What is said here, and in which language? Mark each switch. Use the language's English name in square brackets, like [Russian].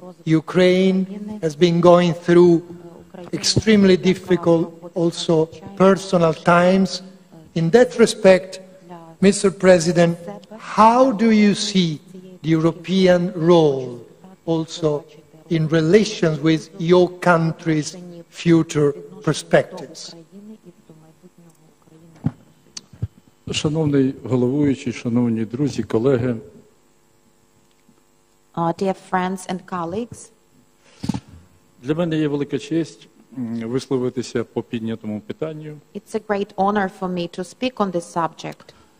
[English] Ukraine has been going through extremely difficult, also personal times. In that respect, Mr. President, how do you see the European role also in relations with your country's future perspectives? [Ukrainian] Шановний головуючий, шановні друзі, колеги. [English] Dear friends and colleagues. [Ukrainian] Для мене є велика честь висловитися по піднятому питанню. [English] It's a great honor for me to speak on this subject.